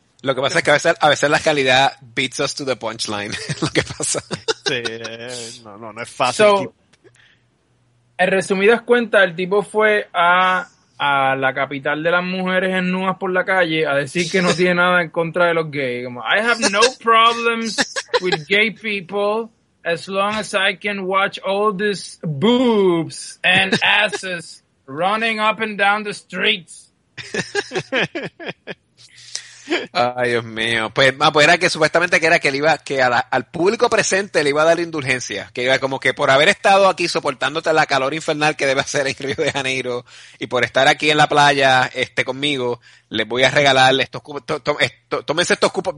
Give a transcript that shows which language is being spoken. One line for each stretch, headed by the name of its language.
Spanish: Lo que pasa es que a veces la calidad
English: beats us to the punchline,
Spanish: lo que pasa. Sí, no es fácil. En resumidas cuentas, el tipo fue a la capital de las mujeres en nuas por la calle a decir que no tiene nada en contra de los gays.
English: Como, I have no problems with gay people as long as I can watch all these boobs and asses running up and down the streets.
Spanish: Ay, Dios mío. Pues era que supuestamente que él iba, que al público presente le iba a dar indulgencia. Que iba como que por haber estado aquí soportándote la calor infernal que debe hacer en Río de Janeiro y por estar aquí en la playa, conmigo, les voy a regalar estos cupones. Tómense estos cupones.